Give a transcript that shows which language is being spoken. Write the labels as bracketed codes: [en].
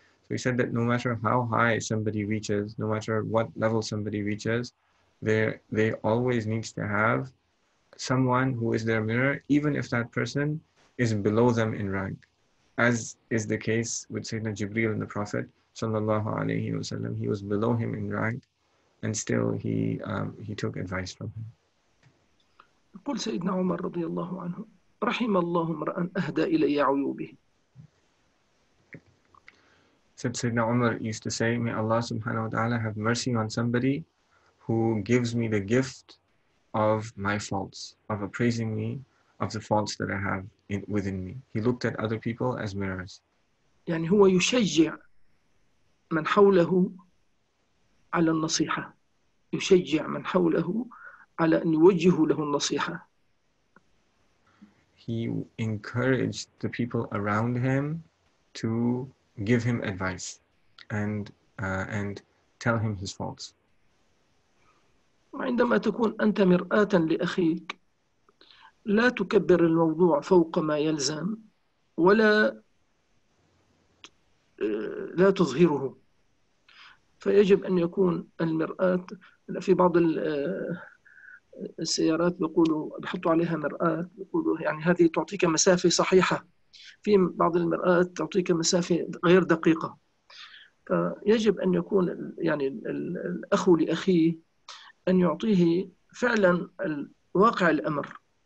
[en] So he said that no matter how high somebody reaches, no matter what level somebody reaches, they always need to have someone who is their mirror, even if that person is below them in rank, as is the case with Sayyidina Jibreel and the Prophet sallallahu alaihi wasallam. He was below him in rank, and still he took advice from him. [ar] يقول سيدنا عمر رضي الله عنه رحم الله امرأ أهدى إلي عيوبه. [en] Said Sayyidina Umar used to say, may Allah subhanahu wa ta'ala have mercy on somebody who gives me the gift of my faults, of appraising me of the faults that I have within me. He looked at other people as mirrors. [ar] يعني هو يشجع من حوله على النصيحة. يشجع من حوله على أن يوجه له النصيحة. [en] He encouraged the people around him to give him advice and tell him his faults. [ar] عندما تكون أنت مرآة لأخيك لا تكبر الموضوع فوق ما يلزم ولا لا تظهره فيجب أن يكون المرآة في بعض السيارات بيقولوا بحطوا عليها مرآة بيقولوا يعني هذه تعطيك مسافة صحيحة في بعض المرآة تعطيك مسافة غير دقيقة فيجب أن يكون يعني الأخ لأخيه أن يعطيه فعلا واقع الأمر